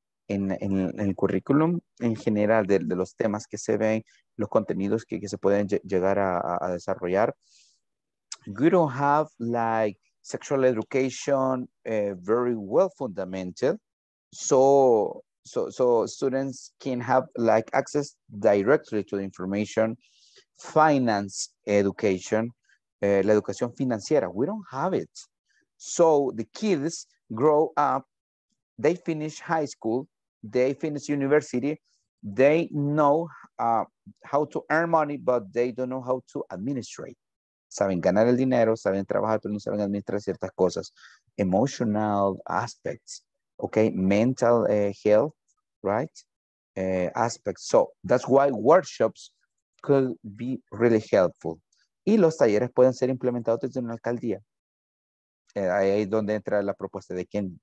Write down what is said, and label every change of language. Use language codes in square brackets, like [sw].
[es] En el currículum en general de los temas que se ven, los contenidos que se pueden llegar a desarrollar. [en] We don't have like sexual education very well fundamented, so students can have like access directly to the information. Finance education, [es] la educación financiera, [en] we don't have it. So the kids grow up, they finish high school, they finish university, they know how to earn money, but they don't know how to administrate. [es] Saben ganar el dinero, saben trabajar, pero no saben administrar ciertas cosas. [en] Emotional aspects, okay? Mental health, right? Aspects. So that's why workshops could be really helpful. [es] Y los talleres pueden ser implementados desde una alcaldía. Ahí es donde entra la propuesta de Ken.